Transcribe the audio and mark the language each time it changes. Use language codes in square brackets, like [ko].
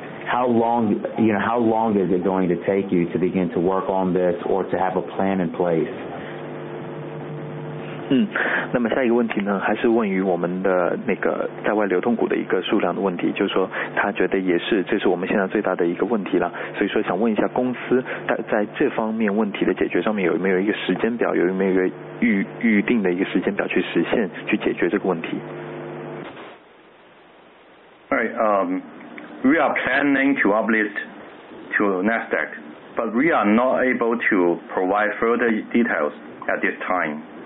[en] How long, you know, how long is it going to take you to begin to work on this or to have a plan in place? [zh] 那么下一个问题呢，还是问于我们的那个在外流通股的一个数量的问题，就是说他觉得也是，这是我们现在最大的一个问题了。所以说想问一下公司在这方面问题的解决上面有没有一个时间表，有没有一个预定的一个时间表去实现去解决这个问题。 [en] Right, we are planning to uplist to Nasdaq, but we are not able to provide further details at this time.